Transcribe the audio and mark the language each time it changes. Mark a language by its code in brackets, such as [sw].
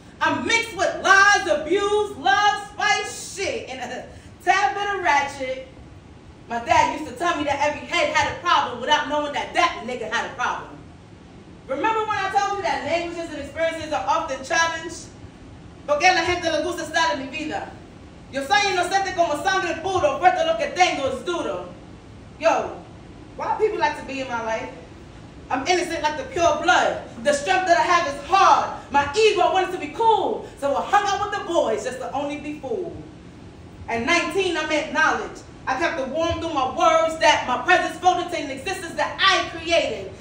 [en] I'm mixed with lies, abuse, love, spice, shit, and a tad bit of ratchet. My dad used to tell me that every head had a problem without knowing that that nigga had a problem. Remember when I told you that languages and experiences are often challenged? [es] Porque la gente le gusta estar en mi vida. Yo soy inocente como sangre puro, pero lo que tengo es duro. [en] Yo, why people like to be in my life? I'm innocent like the pure blood. The strength that I have is hard. My ego wanted to be cool, so I hung out with the boys just to only be fooled. At 19, I met knowledge. I kept it warm through my words that my presence folded to an existence that I created.